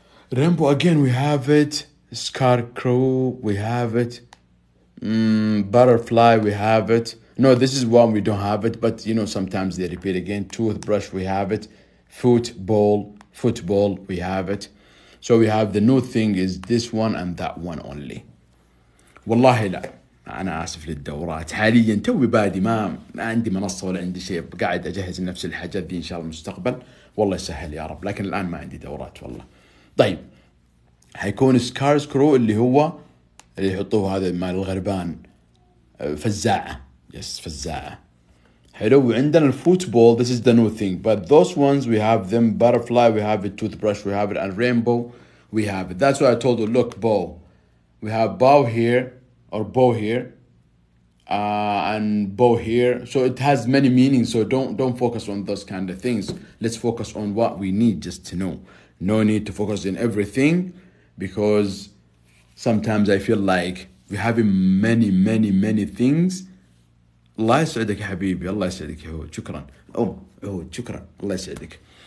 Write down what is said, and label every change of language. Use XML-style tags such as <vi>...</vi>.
<en>Rainbow, again, we have it. Scarecrow, we have it. Butterfly, we have it. No, this is one we don't have it, but you know, sometimes they repeat again. Toothbrush, we have it. Football, we have it. So we have the new thing is this one and that one only.</en> <ar>والله لا انا اسف للدورات حاليا توي بادي ما عندي منصه ولا عندي شيء قاعد اجهز نفس الحاجات دي ان شاء الله المستقبل والله يسهل يا رب لكن الان ما عندي دورات والله طيب حيكون سكارز كرو اللي هو اللي يحطوه هذا مال الغربان فزاعه يس فزاعه حلو وعندنا الفوتبول</ar> <en>this is the new thing but those ones we have them butterfly we have it toothbrush we have it and rainbow we have it that's why I told you look bow We have bow here or bow here and bow here. So it has many meanings. So don't focus on those kind of things. Let's focus on what we need just to know. No need to focus on everything because sometimes I feel like we have many, many, many things.</en> <ar>الله يسعدك حبيبي. الله يسعدك. شكرا. Oh, شكرا. الله يسعدك.</ar>